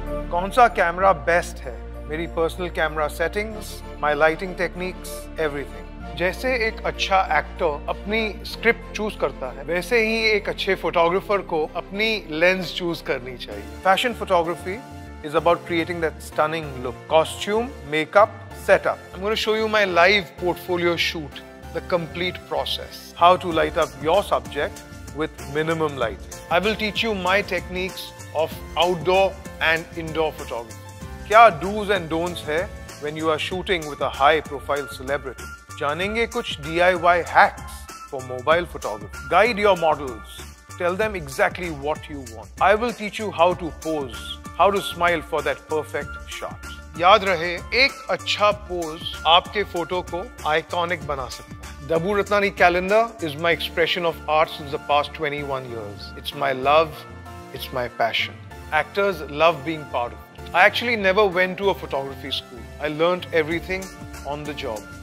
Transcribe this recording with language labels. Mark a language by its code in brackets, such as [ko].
[hi] कौन सा camera best है, मेरी personal camera settings, [en] My lighting techniques, everything. [hi] जैसे एक अच्छा एक्टर अपनी स्क्रिप्ट चूज करता है, वैसे ही एक अच्छे फोटोग्राफर को अपनी लेंस चूज करनी चाहिए। [en] Fashion photography is about creating that stunning look. Costume, makeup, setup. I'm going to show you my live portfolio shoot, the complete process. How to light up your subject with minimum lighting. I will teach you my techniques of outdoor and indoor photography. Kya do's and don'ts hai when you are shooting with a high profile celebrity? [hi] Janenge kuch [en] DIY hacks for mobile photography. Guide your models. Tell them exactly what you want. I will teach you how to pose. How to smile for that perfect shot. [hi] याद रहे, एक अच्छा pose आपके photo को iconic बना सकता है। [en] Dabboo Ratnani calendar is my expression of art since the past 21 years. It's my love, it's my passion. Actors love being part of it. I actually never went to a photography school. I learned everything on the job.